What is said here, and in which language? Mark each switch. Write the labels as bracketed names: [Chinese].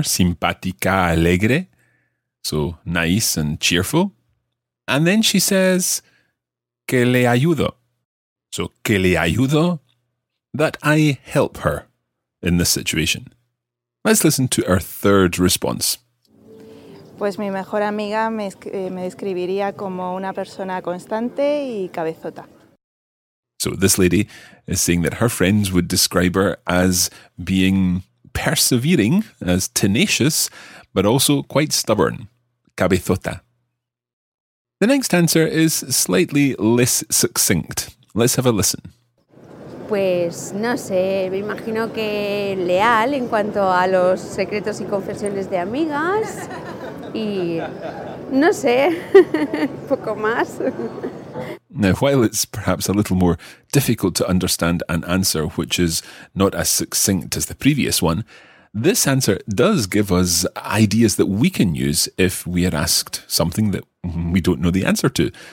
[Spanish] Simpática, alegre. [English] So nice and cheerful. And then she says, [Spanish] que le ayudo. [English] So [Spanish] que le ayudo, [English] that I help her in this situation. Let's listen to our third response. [Spanish] Pues mi mejor amiga me describiría como una persona constante y cabezota. [English] So this lady is saying that her friends would describe her as being persevering, as tenacious, but also quite stubborn. Cabezota. The next answer is slightly less succinct. Let's have a listen. [Spanish] Pues no sé, me imagino que leal en cuanto a los secretos y confesiones de amigas. Y no sé, poco más. [English] Now, while it's perhaps a little more difficult to understand an answer which is not as succinct as the previous one, This answer does give us ideas that we can use if we are asked something that we don't know the answer to.